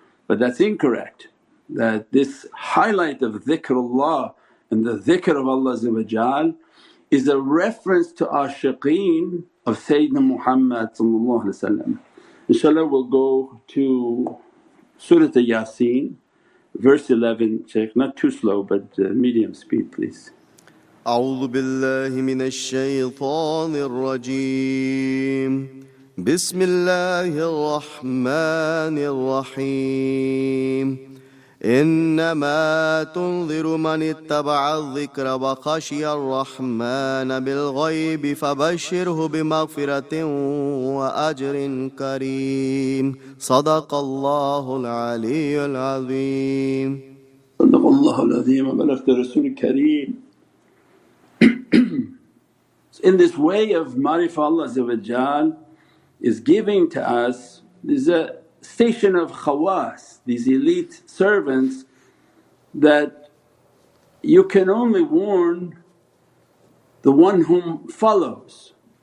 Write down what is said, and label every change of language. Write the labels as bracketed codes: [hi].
[en] But that's incorrect, that this highlight of dhikrullah and the dhikr of Allah is a reference to ashiqeen of Sayyidina Muhammad. InshaAllah we'll go to Surat al-Yaseen, verse 11, Shaykh, not too slow but medium speed please. [ar] أعوذ بالله من الشيطان الرجيم بسم الله الرحمن الرحيم إنما تنذر من اتبع الذكر وخشي الرحمن بالغيب فبشره بمغفرة وأجر كريم صدق الله العلي العظيم صدق الله العظيم وبلغت رسول الكريم. [en] In this way of ma'rifah is giving to us, there's a station of khawas, these elite servants that you can only warn the one whom follows.